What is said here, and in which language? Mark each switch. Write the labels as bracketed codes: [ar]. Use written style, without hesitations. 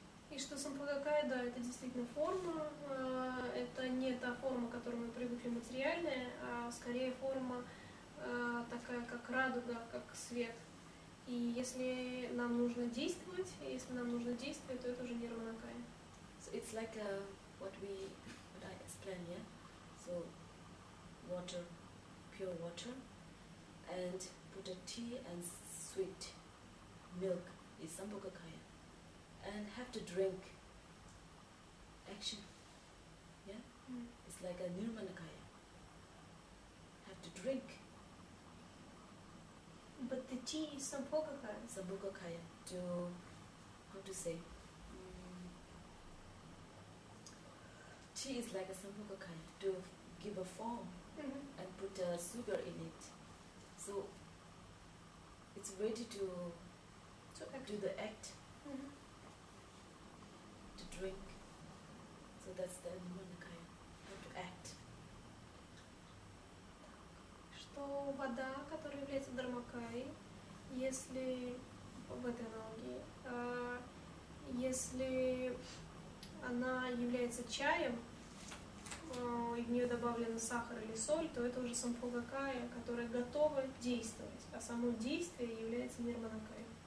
[ru] И что самбхугакая, да, это действительно форма, это не та форма, к которой мы привыкли, материальная, а скорее форма такая, как радуга, как свет. И если нам нужно действовать, то это уже нирманакая. [en] So it's like what I explained, yeah? So water, pure water, and put a tea and sweet milk is sambhugakaya. And have to drink. Action. Yeah? Mm. It's like a nirmanakaya. Have to drink. But the tea is sambhogakaya. Sambhogakaya. To, how to say? Tea is like a sambhogakaya. To give a form and put sugar in it. So it's ready to do the act. Drink. So that's the nirmanakaya. How to act. [ru] Так. Что вода, которая является дармакаей, если в этой аналогии, если она является чаем, и в нее добавлен сахар или соль, то это уже самбхугакая, которая готова действовать, а само действие является нирманакаей.